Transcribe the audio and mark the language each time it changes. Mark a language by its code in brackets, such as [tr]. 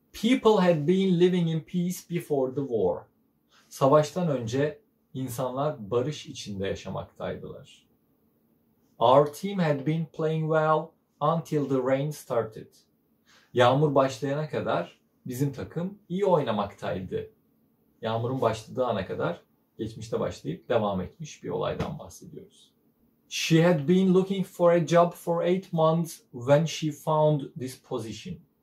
[en] People had been living in peace before the war. [tr] Savaştan önce insanlar barış içinde yaşamaktaydılar. [en] Our team had been playing well until the rain started. [tr] Yağmur başlayana kadar bizim takım iyi oynamaktaydı. Yağmurun başladığı ana kadar geçmişte başlayıp devam etmiş bir olaydan bahsediyoruz. [en] She had been looking for a job for 8 months when she found this position.